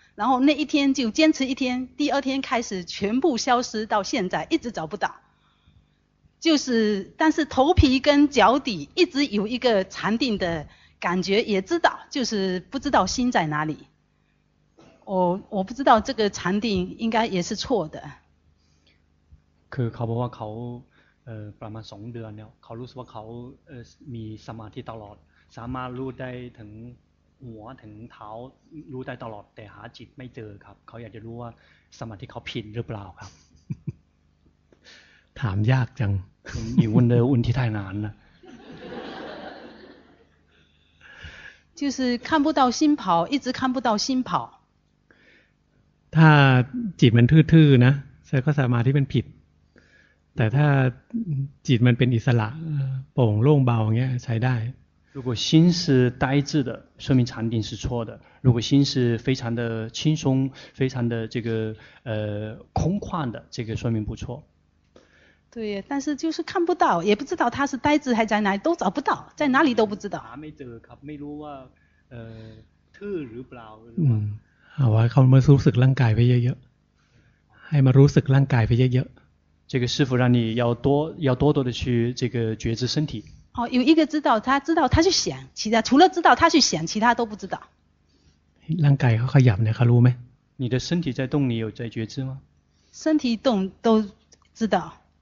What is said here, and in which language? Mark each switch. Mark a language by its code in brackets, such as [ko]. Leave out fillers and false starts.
[zh] 然后那一天就坚持一天，第二天开始全部消失，到现在一直找不到。就是，但是头皮跟脚底一直有一个禅定的感觉，也知道，就是不知道心在哪里。我不知道这个禅定应该也是错的。 [th] คือเขาบอกว่าเขาประมาณสองเดือนเนี่ยเขารู้สึกว่าเขามีสมาธิตลอดสามารถรู้ได้ถึงหัวถึงเท้ารู้ได้ตลอดแต่หาจิตไม่เจอครับเขาอยากจะรู้ว่าสมาธิเขาผิดหรือเปล่าครับ ถามยากจัง อยู่วันเดียววันที่ทายนานนะ [zh] 就是看不到心跑一直看不到心跑 [th] ถ้าจิตมันทื่อๆนะแสดงว่าสมาธิมันผิดแต่ถ้าจิตมันเป็นอิสระโปร่งโล่งเบาเงี้ยใช้ได้ [zh] 如果心是呆滞的说明禅定是错的如果心是非常的轻松非常的这个空旷的这个说明不错对但是就是看不到也不知道他是呆滞还在哪里都找不到在哪里都不知道 [th] ไม่เจอครับไม่รู้ว่าทื่อหรือเปล่า เอาไว้เขามารู้สึกร่างกายไปเยอะๆให้มารู้สึกร่างกายไปเยอะๆ [zh] 这个师父让你要多的去这个觉知身体。哦，有一个知道，他知道他去想，其他除了知道他去想，其他都不知道。让改和养呢，他入没？你的身体在动，你有在觉知吗？身体动都知道。